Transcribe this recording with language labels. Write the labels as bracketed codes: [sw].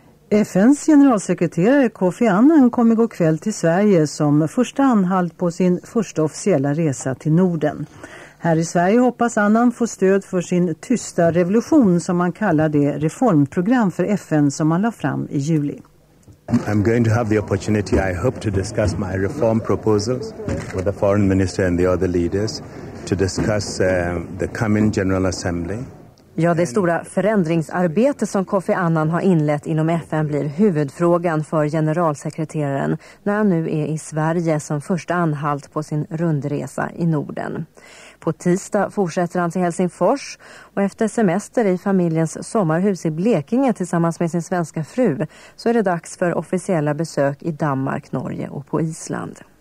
[sv] FNs generalsekreterare Kofi Annan kom igår kväll till Sverige som första anhalt på sin första officiella resa till Norden. Här i Sverige hoppas Annan få stöd för sin tysta revolution, som man kallar det reformprogram för FN som han la fram i juli. [en] I'm going to have the opportunity, I hope, to discuss my reform proposals with the foreign minister and the other leaders to discuss the coming General Assembly. [sv] Ja, det stora förändringsarbete som Kofi Annan har inlett inom FN blir huvudfrågan för generalsekreteraren när han nu är i Sverige som första anhalt på sin rundresa i Norden. På tisdag fortsätter han till Helsingfors, och efter semester i familjens sommarhus i Blekinge tillsammans med sin svenska fru så är det dags för officiella besök i Danmark, Norge och på Island.